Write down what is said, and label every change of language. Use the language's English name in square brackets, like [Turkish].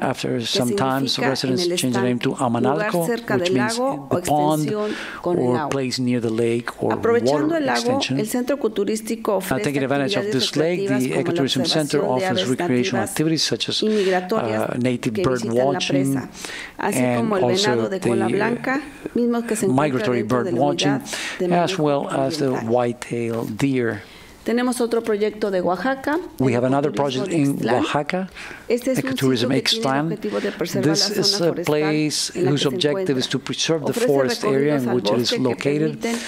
[English] after some time, residents changed the name to Amanalco, which means [Spanish] lago, [English] the pond or place near the lake or [Spanish] aprovechando [English] water [Spanish] el lago, [English] extension. [Spanish] El centro culturístico ofrece [English] taking advantage of this lake, the ecotourism center offers recreational activities such as native bird watch, [Spanish] así como el venado de cola blanca, mismo que se [English] migratory bird watching, as well as the white-tailed deer. [Spanish] Tenemos otro proyecto de Oaxaca. [English] We have another project in Oaxaca, ecotourism Ixtlán. This is a place whose objective is to preserve the forest area in which it is located.